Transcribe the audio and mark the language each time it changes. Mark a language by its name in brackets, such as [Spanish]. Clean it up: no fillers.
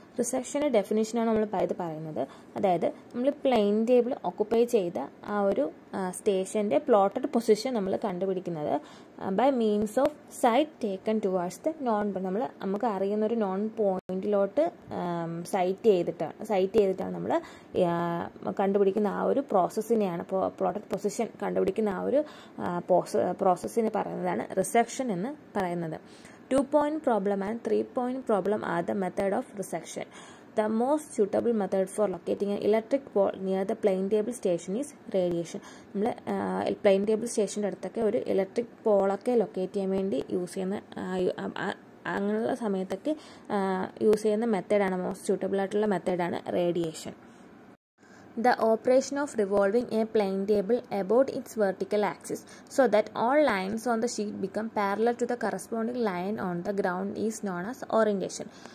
[Malayalam] റിസെക്ഷൻ്റെ ഡെഫിനിഷനാണ് നമ്മൾ ഇത് പറയുന്നത്. അതായത് നമ്മൾ പ്ലെയിൻ ടേബിൾ ഓക്കുപൈ ചെയ്ത ആ ഒരു സ്റ്റേഷൻ്റെ പ്ലോട്ടഡ് പൊസിഷൻ നമ്മൾ കണ്ടുപിടിക്കുന്നത് [English] By means of sight taken towards the known point. [Malayalam] നമ്മൾ നമുക്ക് അറിയുന്ന ഒരു നോൺ പോയിന്റിലോട്ട് സൈറ്റ് ചെയ്തിട്ടാണ് നമ്മൾ കണ്ടുപിടിക്കുന്ന ആ ഒരു പ്രോസസ്സിനെയാണ് പ്ലോട്ടഡ് പൊസിഷൻ കണ്ടുപിടിക്കുന്ന ആ ഒരു പ്രോസസ്സിനെ പറയുന്നതാണ് റിസെക്ഷൻ എന്ന് പറയുന്നത്. [English] 2-point problem and 3-point problem are the method of resection. The most suitable method for locating an electric pole near the plane table station is radiation. [Malayalam] നമ്മളെ പ്ലെയിൻ ടേബിൾ സ്റ്റേഷൻ്റെ അടുത്തൊക്കെ ഒരു ഇലക്ട്രിക് പോളൊക്കെ ലൊക്കേറ്റ് ചെയ്യാൻ വേണ്ടി use ചെയ്യുന്ന അങ്ങനെയുള്ള സമയത്തൊക്കെ use ചെയ്യുന്ന മെത്തേഡാണ് മോസ്റ്റ് സ്യൂട്ടബിൾ ആയിട്ടുള്ള മെത്തേഡാണ് radiation. [English] The operation of revolving a plane table about its vertical axis so that all lines on the sheet become parallel to the corresponding line on the ground is known as orientation.